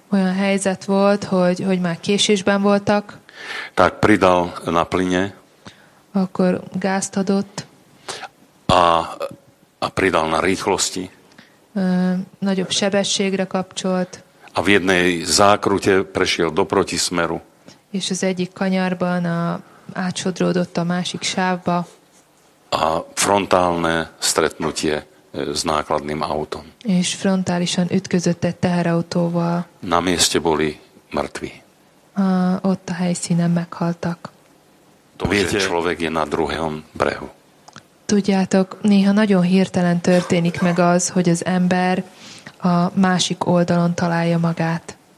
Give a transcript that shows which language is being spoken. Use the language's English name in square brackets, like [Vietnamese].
[Hungarian] Olyan helyzet volt, hogy már késésben voltak. [Slovak] Tak pridal na plyne. [Hungarian] Akkor gázt adott. [Slovak] A pridal na rýchlosti. [Hungarian] Nagyobb sebességre kapcsolt. [Slovak] A v jednej zákrute prešiel do protismeru. [Hungarian] És az egyik kanyarban átsodródott a másik sávba. [Slovak] A frontálne stretnutie s nákladným autom. [Hungarian] És frontálisan ütközött egy teherautóval. [Slovak] Na mieste boli mŕtvi. [Hungarian] Ott a helyszínen meghaltak. [Slovak] To viete, človek je na druhom brehu. [Hungarian] Tudjátok, néha nagyon hirtelen történik meg az, hogy az ember a másik oldalon találja magát.